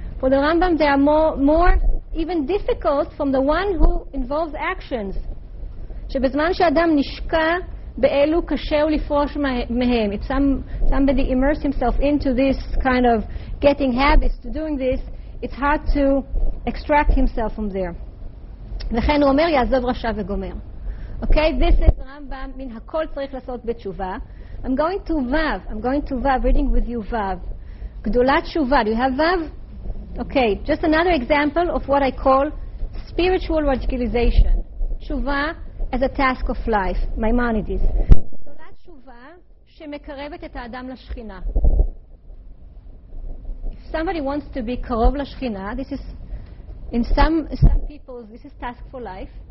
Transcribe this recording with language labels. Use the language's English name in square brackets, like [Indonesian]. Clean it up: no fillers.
[English] For the Rambam, they are more even difficult from the one who involves actions. [Hebrew] Shebezman she'adam nishka be'elu kasheu lifrosh mehem. [English] If somebody immerses himself into this kind of getting habits to doing this, it's hard to extract himself from there. [Hebrew] וכן הוא אומר, יעזוב רשע וגומר. [English] Okay, this is Rambam, [Hebrew] מן הכל צריך לעשות בתשובה. [English] I'm going to Vav, reading with you Vav. [Hebrew] גדולת תשובה, [English] do you have Vav? Okay, just another example of what I call spiritual radicalization. תשובה as a task of life, Maimonides. [Hebrew] גדולת תשובה שמקרבת את האדם לשכינה. [English] Somebody wants to be [Hebrew] karov lashchina. [English] This is in some people, this is task for life.